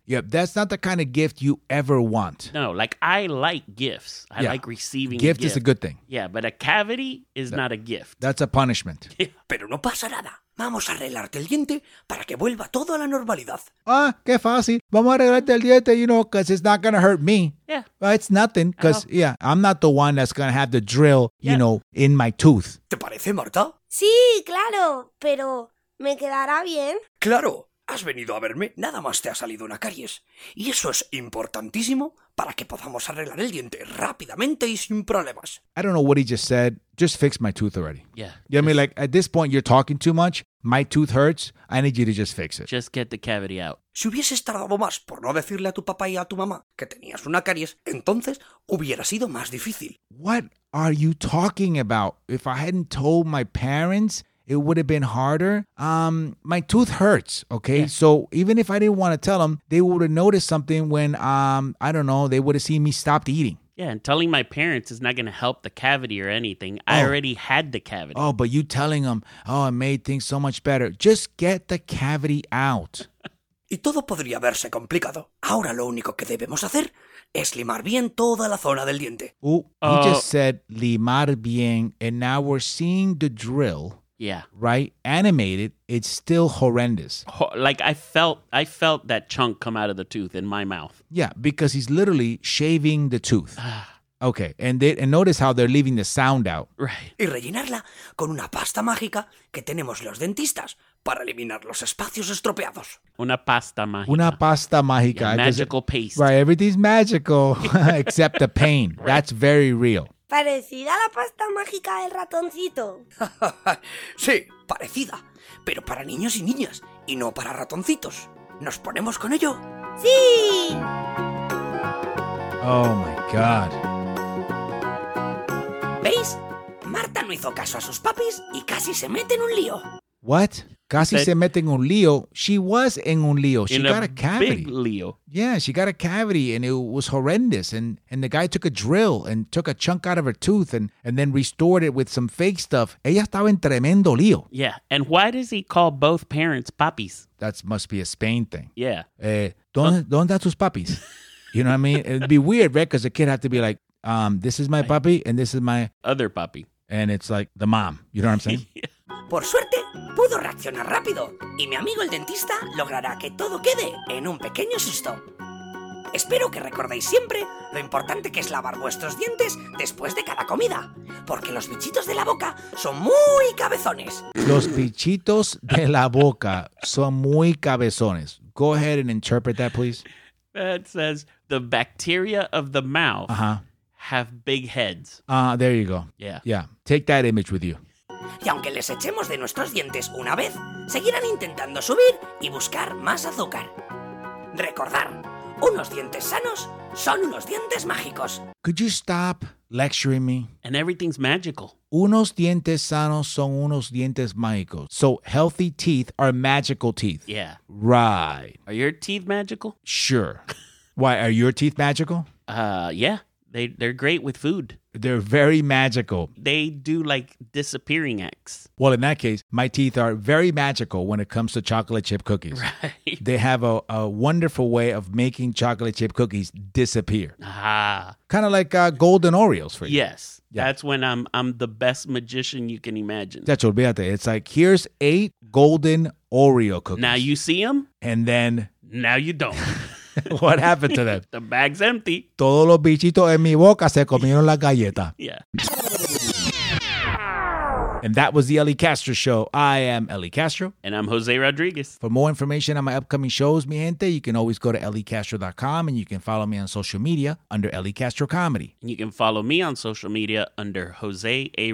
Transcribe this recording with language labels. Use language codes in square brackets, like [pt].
[en] Yep, that's not the kind of gift you ever want. No, like, I like gifts. I like receiving gift. Gift is a good thing. Yeah, but a cavity is not a gift. That's a punishment. [es] Pero no pasa nada. Vamos a arreglarte el diente para que vuelva todo a la normalidad. Ah, qué fácil. Vamos a arreglarte el diente, [en] you know, because it's not going to hurt me. Yeah. It's nothing, because, I'm not the one that's going to have the drill, you know, in my tooth. [es] ¿Te parece, Marta? Sí, claro, pero ¿me quedará bien? Claro, has venido a verme, nada más te ha salido una caries. Y eso es importantísimo para que podamos arreglar el diente rápidamente y sin problemas. [en] I don't know what he just said. Just fix my tooth already. Yeah. You know what I mean? Like, at this point, you're talking too much. My tooth hurts. I need you to just fix it. Just get the cavity out. [es] Si hubieses tardado más por no decirle a tu papá y a tu mamá que tenías una caries, entonces hubiera sido más difícil. [en] What are you talking about? If I hadn't told my parents, it would have been harder. My tooth hurts, okay? Yeah. So even if I didn't want to tell them, they would have noticed something when, I don't know, they would have seen me stopped eating. Yeah, and telling my parents is not going to help the cavity or anything. I already had the cavity. Oh, but you telling them, it made things so much better. Just get the cavity out. [es] Y todo podría verse complicado. Ahora lo único que debemos hacer es limar bien toda la zona del diente. [en] He just said [es] limar bien, [en] and now we're seeing the drill. Yeah. Right? Animated, it's still horrendous. Like, I felt that chunk come out of the tooth in my mouth. Yeah, because he's literally shaving the tooth. Okay, and notice how they're leaving the sound out. Right. [es] Y rellenarla con una pasta mágica que tenemos los dentistas para eliminar los espacios estropeados. Una pasta mágica. Una pasta mágica. [en] Yeah, magical paste. Right, everything's magical except the pain. Right. That's very real. [es] Parecida a la pasta mágica del ratoncito. Sí, parecida, pero para niños y niñas y no para ratoncitos. ¿Nos ponemos con ello? ¡Sí! [en] Oh, my God. [es] ¿Veis? Marta no hizo caso a sus papis y casi se mete en un lío. [en] What? [es] Casi se mete en un lío. [en] She was in [es] un lío. [en] She got a cavity. Big lío. Yeah, she got a cavity and it was horrendous. And the guy took a drill and took a chunk out of her tooth and then restored it with some fake stuff. [es] Ella estaba en tremendo lío. [en] Yeah. And why does he call both parents papis? That must be a Spain thing. Yeah. [es] ¿Dónde están tus papis? [en] You know what I mean? It'd be weird, right? Because the kid had to be like, this is my papi and this is my other papi. And it's like the mom. You know what I'm saying? [es] Por suerte, pudo reaccionar rápido y mi amigo el dentista logrará que todo quede en un pequeño susto. Espero que recordéis siempre lo importante que es lavar vuestros dientes después de cada comida, porque los bichitos de la boca son muy cabezones. Los bichitos de la boca son muy cabezones. [en] Go ahead and interpret that, please. That says the bacteria of the mouth have big heads. There you go. Yeah. Yeah. Take that image with you. [es] Y aunque les echemos de nuestros dientes una vez, seguirán intentando subir y buscar más azúcar. Recordar, unos dientes sanos son unos dientes mágicos. [en] Could you stop lecturing me? And everything's magical. [es] Unos dientes sanos son unos dientes mágicos. [en] So healthy teeth are magical teeth. Yeah. Right. Are your teeth magical? Sure. Why, are your teeth magical? Yeah. They're great with food. They're very magical. They do like disappearing acts. Well, in that case, my teeth are very magical when it comes to chocolate chip cookies. Right. They have a wonderful way of making chocolate chip cookies disappear. Ah. Kind of like golden Oreos for you. Yes. Yeah. That's when I'm the best magician you can imagine. [es] Chacho, olvídate. [en] It's like, here's 8 golden Oreo cookies. Now you see them. And then. Now you don't. What happened to them? The bag's empty. [es] Todos los bichitos en mi boca se comieron la galleta. [en] Yeah. And that was the Ellie Castro Show. I am Ellie Castro. And I'm Jose Rodriguez. For more information on my upcoming shows, [es] mi gente, [en] you can always go to elliecastro.com and you can follow me on social media under Ellie Castro Comedy. And you can follow me on social media under Jose A.